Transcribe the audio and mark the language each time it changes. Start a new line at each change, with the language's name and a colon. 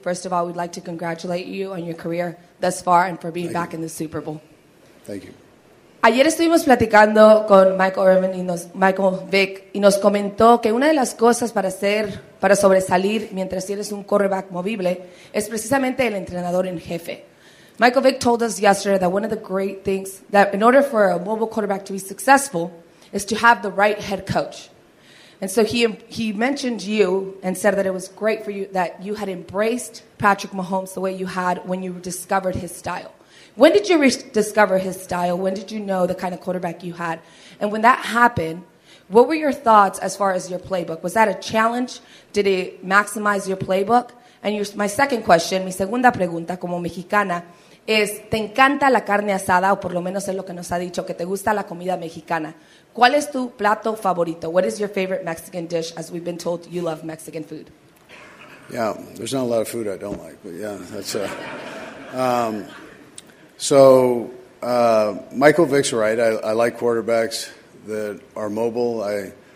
English: First of all, we'd like to congratulate you on your career thus far and for being back in the Super Bowl. Thank you.
Spanish: Ayer estuvimos platicando con Michael Irvin y Michael Vick y nos comentó que una de las cosas para sobresalir mientras tienes un quarterback movible es precisamente el entrenador en jefe.
English: Michael Vick told us yesterday that one of the great things that in order for a mobile quarterback to be successful is to have the right head coach. And so he mentioned you and said that it was great for you that you had embraced Patrick Mahomes the way you had when you discovered his style. When did you discover his style? When did you know the kind of quarterback you had? And when that happened, what were your thoughts as far as your playbook? Was that a challenge? Did it maximize your playbook? And my second question,
Spanish: mi segunda pregunta como mexicana, es, ¿te encanta la carne asada? O por lo menos es lo que nos ha dicho, que te gusta la comida mexicana. ¿Cuál es tu plato favorito?
English: What is your favorite Mexican dish? As we've been told, you love Mexican food. Yeah, there's not a lot of food I don't like, but yeah, that's a... Michael Vick's right. I like quarterbacks that are mobile.